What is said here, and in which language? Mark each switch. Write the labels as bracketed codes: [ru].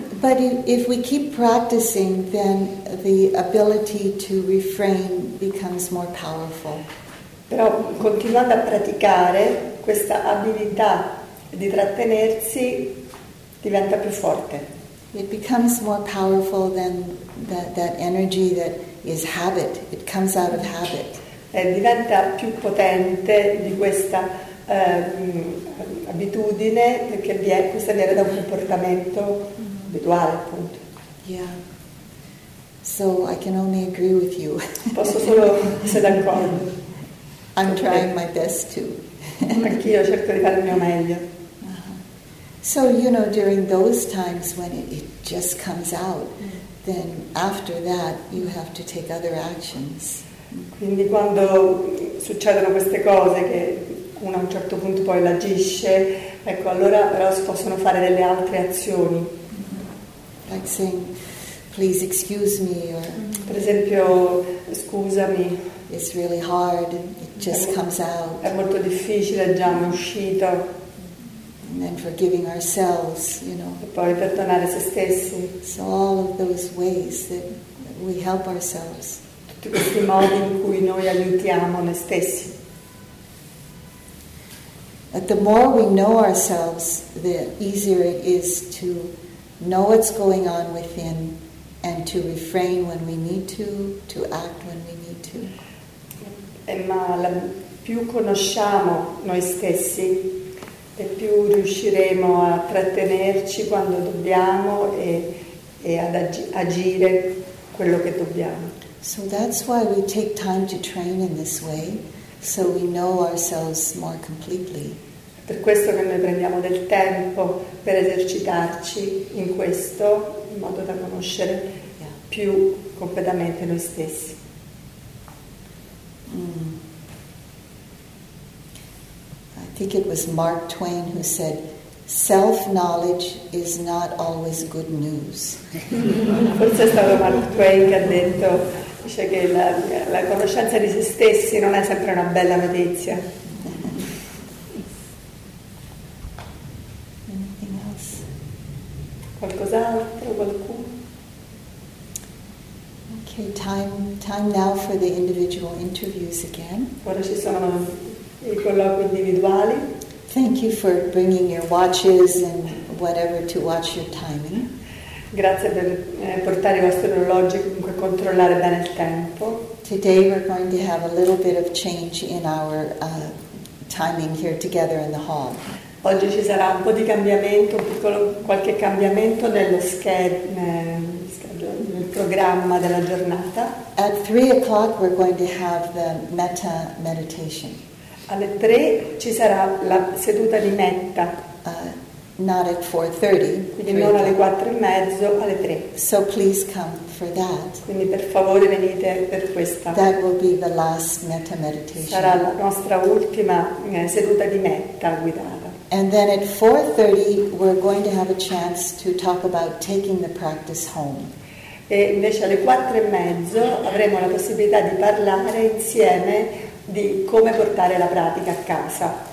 [en] But if we keep practicing, then the ability to refrain becomes more powerful. [it] Però continuando a praticare, questa abilità di trattenersi diventa più forte. [en] It becomes more powerful than that energy that is habit. It comes out of habit. [it] E diventa più potente di questa abitudine perché questa viene da un comportamento mm-hmm. abituale, appunto. [en] Yeah. So I can only agree with you. [it] Posso solo essere d'accordo. [en] I'm trying my best too. [it] Anch'io cerco di fare il mio meglio. [en] So, you know, during those times when it just comes out, then after that you have to take other actions. [it] Quindi quando succedono queste cose che uno a un certo punto poi l'agisce, ecco, allora però si possono fare delle altre azioni. [en] Like saying, please excuse me, or... [it] Per esempio, scusami. [en] It's really hard, it just comes out. [it] È molto difficile, già mi è uscito. [en] And then forgiving ourselves, you know. [it] E poi perdonare se stessi. [en] So all of those ways that we help ourselves. [it] Tutti questi modi in cui noi aiutiamo noi stessi. [en] But the more we know ourselves, the easier it is to know what's going on within and to refrain when we need to act when we need to. [it] E ma più conosciamo noi stessi, e più riusciremo a trattenerci quando dobbiamo e ad agire quello che dobbiamo. [en] So that's why we take time to train in this way, so we know ourselves more completely. [it] Per questo che noi prendiamo del tempo per esercitarci in questo, in modo da conoscere yeah. più completamente noi stessi. Mm. [en] I think it was Mark Twain who said, "Self-knowledge is not always good news." [it] Forse è stato Mark Twain che ha detto, dice che la conoscenza di se stessi non è sempre una bella notizia. [en] Anything else? [it] Qualcos'altro, qualcuno? [en] Okay, time now for the individual interviews again. [it] Ora ci sono i colloqui individuali. [en] Thank you for bringing your watches and whatever to watch your timing. [it] Grazie per portare i vostri orologi, comunque controllare bene il tempo. [en] Today we're going to have a little bit of change in our timing here together in the hall. [it] Oggi ci sarà un po' di cambiamento, qualche cambiamento nello nel programma della giornata. [en] At 3 o'clock we're going to have the metta meditation. [it] Alle 3 ci sarà la seduta di metta. [en] Not at 4:30. [it] Quindi non alle 4:30, alle 3. [en] So please come for that. [it] Quindi per favore venite per questa. [en] That will be the last metta meditation. [it] Sarà la nostra ultima seduta di metta guidata. [en] And then at 4:30 we're going to have a chance to talk about taking the practice home. [it] E invece alle 4:30 avremo la possibilità di parlare insieme di come portare la pratica a casa.